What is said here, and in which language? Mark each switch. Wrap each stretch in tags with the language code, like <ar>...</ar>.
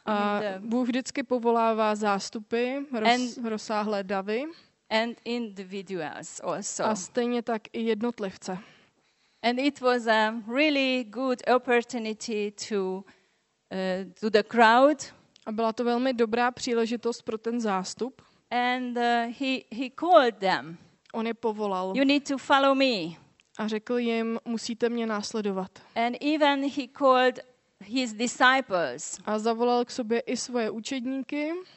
<cs>A Bůh vždycky povolává zástupy, rozsáhlé davy.</cs> <en>And individuals also.</en> <cs>A stejně tak i jednotlivce.</cs> <en>And it was a really good opportunity to the crowd.</en> <cs>A byla to velmi dobrá příležitost pro ten zástup.</cs> <en>And he called them.</en> <cs>On je povolal.</cs> <en>You need to follow me.</en> <cs>A řekl jim, musíte mě následovat.</cs> <en>And even he called his disciples.</en> <cs>A zavolal k sobě i svoje učedníky.</cs>